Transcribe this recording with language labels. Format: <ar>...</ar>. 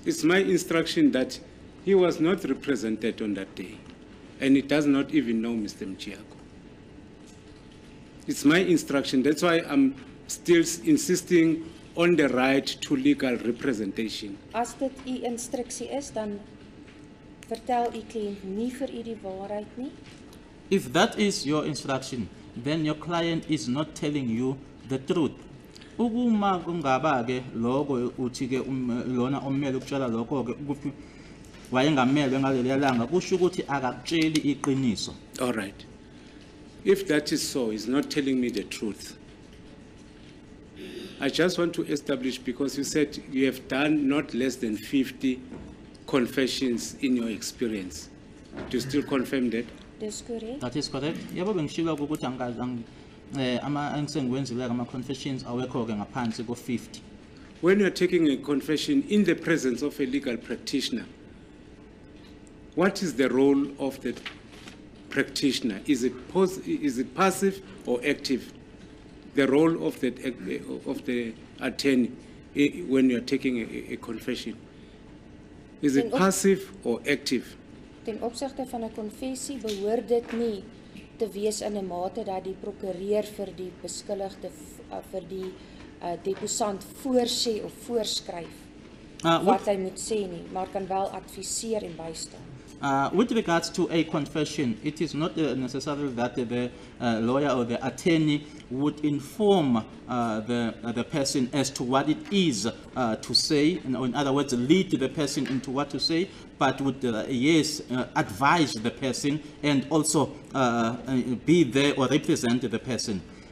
<en>It's my instruction that he was not represented on that day, and he does not even know Mr. Mchiyako. It's my instruction. That's why I'm still insisting on the right to legal representation.</en> <af>As dit u instruksie is, dan vertel u kliënt nie vir u die waarheid nie?</af> <en>If that is your instruction, then your client is not telling you the truth.</en> <zu>Uma kungaba ke lokho uthi ke lona ommeli ukutshela lokho ke ukuthi wayengamelwe ngaleli yalanga kusho ukuthi akakutsheli iqiniso.</zu> <en>All right. If that is so, he's not telling me the truth. I just want to establish, because you said you have done not less than 50 confessions in your experience. Do you still confirm that? That is correct.</en> <zu>Yebo bengishilo ukuthi angazange ama angisengwenzile ama confessions awekho ke ngaphansi ko 50.</zu> <en>When you are taking a confession in the presence of a legal practitioner, what is the role of the practitioner? Is it passive or active? The role of the attorney when you are taking a confession, is it passive or active?</en> <af>Ten opsigte van 'n konfessie behoort dit nie te wees in 'n mate dat die prokureur vir die beskuldigde vir die deposant voorsê of voorskryf wat hy moet sê nie, maar kan wel adviseer en bystaan.</af> <en>With regards to a confession, it is not necessary that the lawyer or the attorney would inform the person as to what it is to say, and in other words, lead the person into what to say, but would, advise the person and also be there or represent the person.</en>